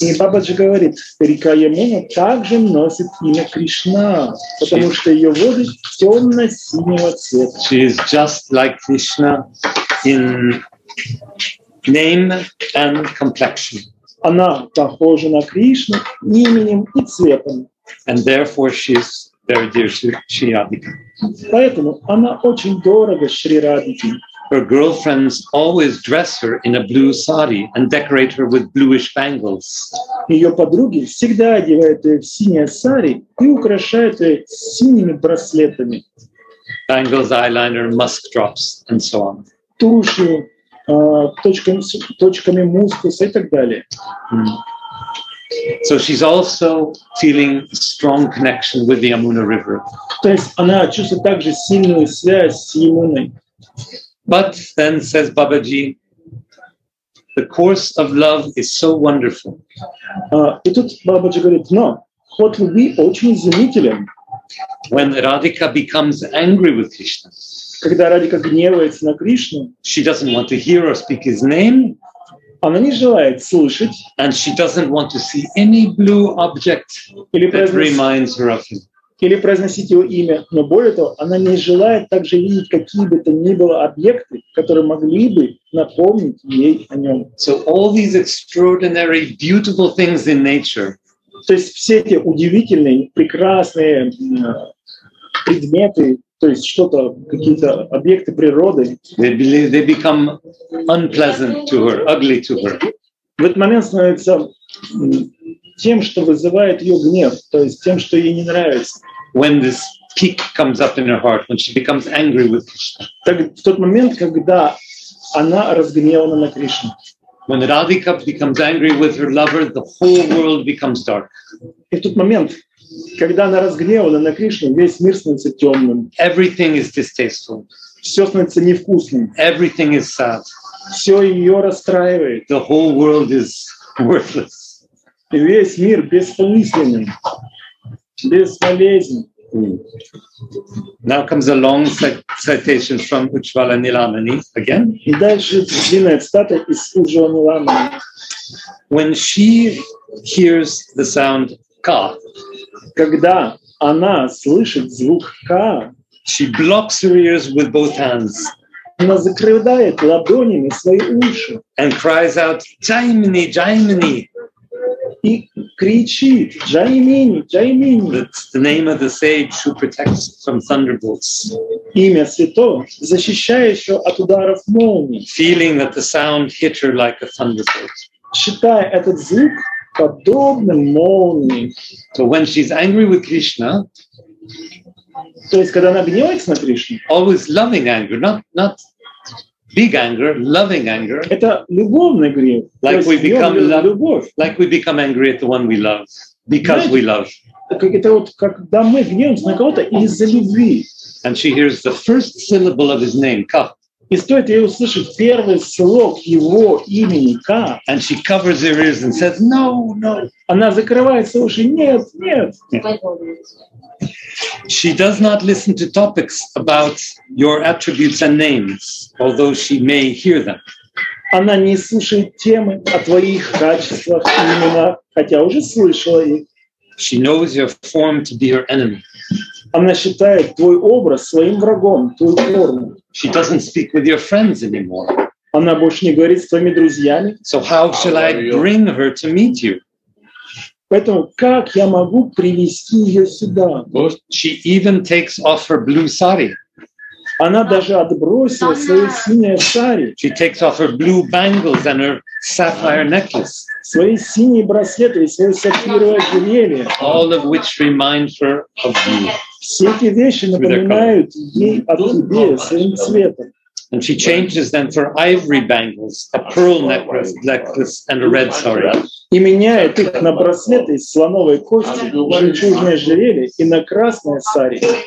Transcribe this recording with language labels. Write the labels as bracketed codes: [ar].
[ru] И Бабаджи говорит, река Ямуна также носит имя Кришна, потому что ее воды темно-синего цвета. [en] She is just like Krishna in name and complexion. [ru] Она похожа на Кришну именем и цветом. [en] And therefore she is very dear to Shri Radhika. [ru] Поэтому она очень дорога Шри Радике. [en] Her girlfriends always dress her in a blue sari and decorate her with bluish bangles. [ru] Ее подруги всегда одевают ее в синее сари и украшают ее синими браслетами. [en] Bangles, eyeliner, musk drops, and so on. [ru] Тушью, точками мускуса и так далее. [en] So she's also feeling strong connection with the Yamuna River. [ru] То есть она чувствует также сильную связь с Ямуной. [en] But then, says Бабаджи, the course of love is so wonderful. [ru] И тут Бабаджи говорит, но ход любви очень изумителен. [en] When Radhika becomes angry with Krishna, [ru] когда Радика гневается на Кришну, [en] she doesn't want to hear or speak his name. [ru] Она не желает слушать. [en] And she doesn't want to see any blue object that reminds her of him. [ru] Или произносить его имя. Но более того, она не желает также видеть какие бы то ни было объекты, которые могли бы напомнить ей о нем. [en] So all these extraordinary, beautiful things in nature. [ru] То есть все эти удивительные, прекрасные предметы, то есть что-то, какие-то объекты природы. [en] They become unpleasant to her, ugly to her. [ru] В этот момент становится тем, что вызывает ее гнев, то есть тем, что ей не нравится. [en] When this peak comes up in her heart, when she becomes angry with Krishna. [ru] Так, в тот момент, когда она разгневана на Кришну. [en] When Radhika becomes angry with her lover, the whole world becomes dark. [ru] И в тот момент, когда она разгневана на Кришну, весь мир становится темным. [en] Everything is distasteful. [ru] Все становится невкусным. [en] Everything is sad. [ru] Все ее расстраивает. [en] The whole world is worthless. [ru] И весь мир бессмысленен, бесполезен. [en] Now comes a long citation from Ujjvala Nilamani again. [ru] И дальше длинная цитата из Ujjvala Nilamani. [en] When she hears the sound ka, [ru] когда она слышит звук ка, [en] she blocks her ears with both hands. [ru] Она закрывает ладонями свои уши. [en] And cries out, Jaimini, Jaimini. [ru] И кричит, Jaimini, Jaimini. [en] That's the name of the sage who protects from thunderbolts. [ru] Имя святого, защищающего от ударов молнии. [en] Feeling that the sound hit her like a thunderbolt. [ru] Считая этот звук подобным молнии. [en] So when she's angry with Krishna, [ru] то есть когда она гневается на Кришну, [en] always loving anger, not big anger, loving anger. [ru] Это любовный гнев. [en] Like we become [ru] любовь. [en] Like we become angry at the one we love because we love. [ru] Это вот когда мы гневаемся на кого-то из-за любви. [en] And she hears the first syllable of his name, ka. [ru] И стоит ей услышать первый слог его имени Ка. [en] And she covers her ears and says, no, no. [ru] Она закрывает свои уши. Нет, нет. [en] She does not listen to topics about your attributes and names, although she may hear them. [ru] Она не слушает темы о твоих качествах и именах, хотя уже слышала их. [en] She knows your form to be her enemy. [ru] Она считает твой образ своим врагом, твою форму. [en] She doesn't speak with your friends anymore. [ru] Она больше не говорит с твоими друзьями. [en] So how shall I bring her to meet you? [ru] Поэтому как я могу привести ее сюда? [en] She even takes off her blue sari. [ru] Она даже отбросила свои синие сари. [en] She takes off her blue bangles and her sapphire necklace. [ru] Свои синие браслеты и свои сапфировые ожерелье. [en] All of which remind her of you. [ru] Все эти вещи напоминают ей о тебе, своим цветом. [en] And she changes them for ivory bangles, a pearl necklace, and a red sari. [ru] И меняет их на браслеты из слоновой кости, жемчужное ожерелье и на красное сари.